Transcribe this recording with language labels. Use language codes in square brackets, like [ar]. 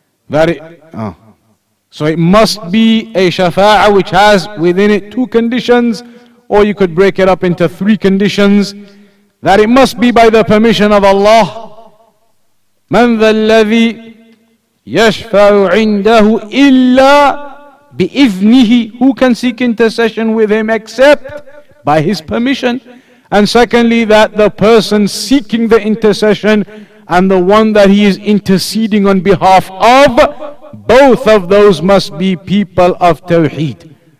[en] So it must be a shafa'ah which has within it two conditions, or you could break it up into three conditions. That it must be by the permission of Allah. [ar] من ذا الذي يشفع عنده إلا بإذنه. [en] Who can seek intercession with him except by his permission? And secondly, that the person seeking the intercession and the one that he is interceding on behalf of, both of those must be people of Tawheed.